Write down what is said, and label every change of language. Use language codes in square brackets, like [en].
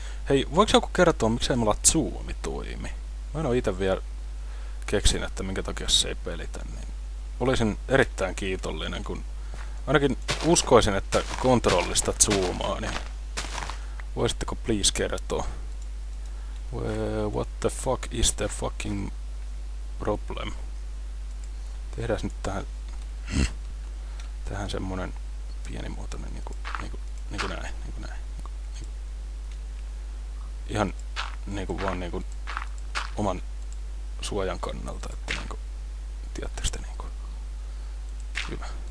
[fi] Hei, voiko joku kertoa, miksei mulla zoomi toimi? Mä en oo ite vielä keksin, että minkä takia se ei pelitä, niin... Olisin erittäin kiitollinen, kun... Ainakin uskoisin, että kontrollista zoomaa, niin... Voisitteko please kertoa? [en] What the fuck is the fucking problem? [fi] Tehdään nyt tähän... Tähän semmonen... pienimuotoinen niinku näin. Ihan niinku vaan niinku oman suojan kannalta, että niinku tiedättekö te niinku hyvä.